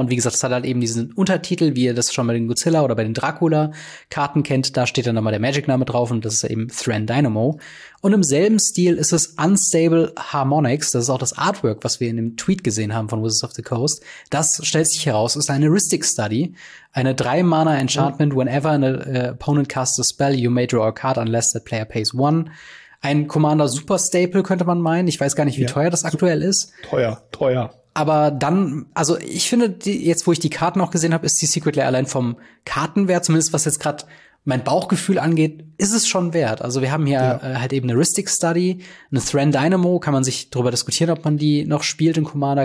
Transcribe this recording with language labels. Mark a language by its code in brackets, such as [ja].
[de] Und wie gesagt, es hat halt eben diesen Untertitel, wie ihr das schon bei den Godzilla oder bei den Dracula-Karten kennt. Da steht dann nochmal der Magic-Name drauf und das ist eben Thren Dynamo. Und im selben Stil ist es Unstable Harmonics. Das ist auch das Artwork, was wir in dem Tweet gesehen haben von Wizards of the Coast. Das stellt sich heraus, ist eine Heuristic Study. Eine [en] 3-Mana-Enchantment, whenever an opponent casts a spell, you may draw a card unless the player pays one. [de] Ein Commander Super Staple könnte man meinen. Ich weiß gar nicht, wie teuer das aktuell ist. Teuer. Aber dann, also ich finde, jetzt wo ich die Karten auch gesehen habe, ist die Secret Lair allein vom Kartenwert, zumindest was jetzt gerade mein Bauchgefühl angeht, ist es schon wert. Also wir haben hier halt eben eine Heuristic Study, eine Thren Dynamo, kann man sich drüber diskutieren, ob man die noch spielt in Commander.